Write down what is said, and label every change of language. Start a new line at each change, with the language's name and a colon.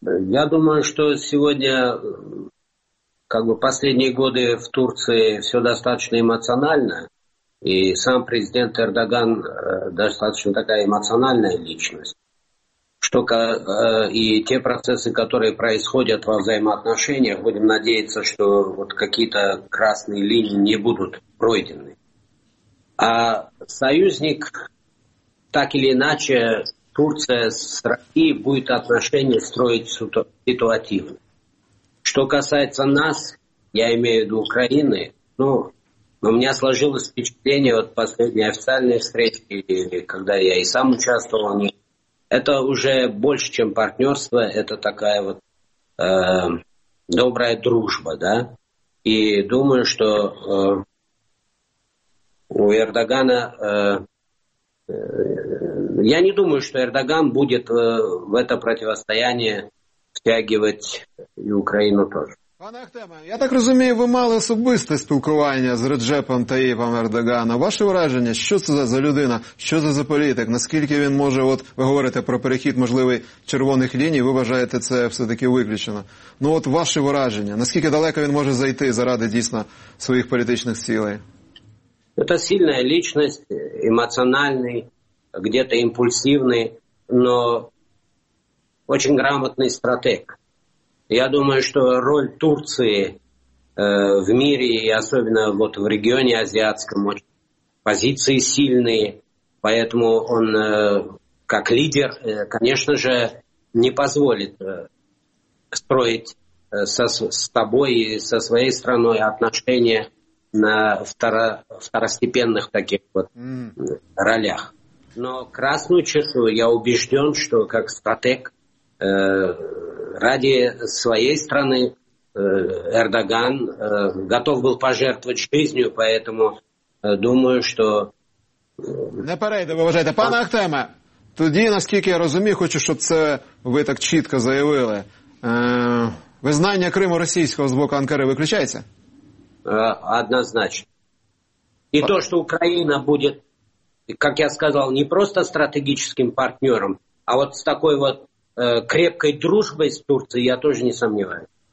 Ukrainian: Я думаю, що сьогодні, как бы, останні роки в Турції все достатньо емоціонально.
Russian: И сам президент Эрдоган достаточно такая эмоциональная личность. Что и те процессы, которые происходят во взаимоотношениях, будем надеяться, что вот какие-то красные линии не будут пройдены. А союзник, так или иначе, Турция с Россией будет отношения строить ситуативно. Что касается нас, я имею в виду Украины, ну, но у меня сложилось впечатление от последней официальной встречи, когда я и сам участвовал. Это уже больше, чем партнерство, это такая вот добрая дружба, да. И думаю, что у Эрдогана... я не думаю, что Эрдоган будет в это противостояние втягивать и Украину тоже.
Ukrainian: Пане Ахтеме, я так розумію, ви мали особисте спілкування з Реджепом Таїпом Ердоганом. Ваше враження, що це за людина, що це за політик, наскільки він може, от ви говорите про перехід можливий червоних ліній, ви вважаєте це все-таки виключено. Ну от ваше враження, наскільки далеко він може зайти заради дійсно своїх політичних цілей? Це сильна личність, емоціональний,
Russian: где-то
Ukrainian: імпульсивний,
Russian: но очень
Ukrainian: грамотний стратег.
Russian: Я думаю, что роль Турции в мире и особенно вот в регионе азиатском позиции сильные, поэтому он как лидер, конечно же, не позволит строить с тобой и со своей страной отношения на второстепенных таких вот ролях. Но красную черту я убежден, что как стратег ради своей страны Эрдоган готов был пожертвовать жизнью, поэтому думаю, что...
Ukrainian: Не перейде, ви вважаєте. Пане Ахтеме, тоді, наскільки я розумію, хочу, щоб це ви так чітко заявили, визнання Криму російського з боку Анкари виключається? Однозначно. І то, що Україна буде, як я сказав, не просто стратегічним партнером, а от з такою от
Russian: крепкой дружбой с Турцией, я тоже не сомневаюсь.